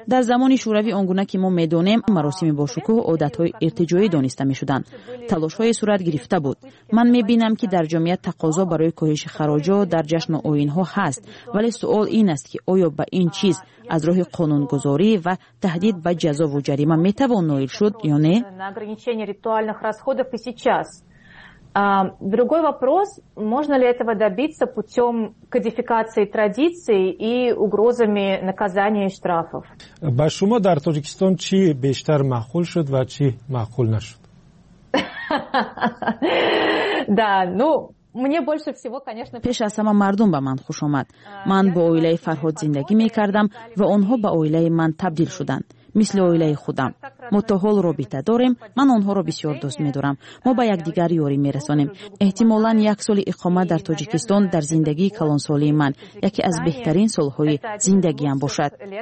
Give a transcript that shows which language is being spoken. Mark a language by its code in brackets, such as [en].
[fa] در زمان شوروی آنگونه که ما میدونیم، مراسم باشکوه عادت های ارتجایی دانسته میشدند. تلاش های صورت گرفته بود. من میبینم که در جامعه تقاضا برای کاهش خراج ها در جشن و آیین ها هست، ولی سوال این است که آیا به این چیز از راه قانون گذاری و تهدید به جزا و جریمه می توان نائل شد یا نه؟ [ru] На ограничение ритуальных расходов и сейчас. Другой вопрос, можно ли этого добиться путем кодификации традиций и угрозами наказания и штрафов? [tg] Ба шумо дар Тоҷикистон чи бештар маъқул шуд ва чи маъқул нашуд? [ru] Да, ну мне больше всего, конечно, [tg] пеш а сама мардум ба ман хуш омад. Ман бо оилаи Фарҳод зиндагӣ мекардам ва онҳо ба оилаи ман табдил шуданд. [fa] مثل اویله خودم. ما تا حال رابطه داریم. من آنها را بسیار دوست می دارم. ما با یک دیگر یاری می رسانیم. احتمالاً یک سال اقامت در تاجیکستان در زندگی کلان سالی من یکی از بهترین سالهای زندگی هم باشد.